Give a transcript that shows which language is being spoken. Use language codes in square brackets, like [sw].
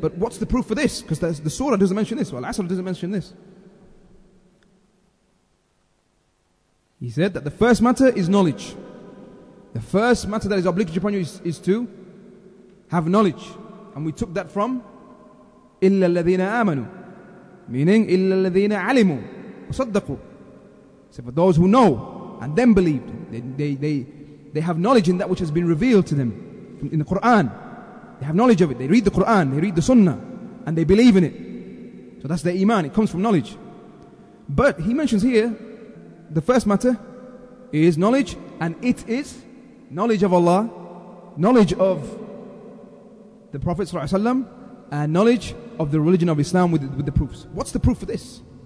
[en] But what's the proof for this? Because the surah doesn't mention this. Well, Al-Asr doesn't mention this. He said that the first matter is knowledge. The first matter that is obligatory upon you is to have knowledge. And we took that from [ar] إلا الذين آمنوا, [en] meaning [ar] إلا الذين علموا وصدقوا. [en] Except for those who know and then believed, they have knowledge in that which has been revealed to them in the Quran. They have knowledge of it. They read the Quran, they read the Sunnah, and they believe in it. So that's their iman. It comes from knowledge. But he mentions here, the first matter is knowledge, and it is knowledge of Allah, knowledge of the Prophet ﷺ, and knowledge of the religion of Islam with the proofs. What's the proof for this?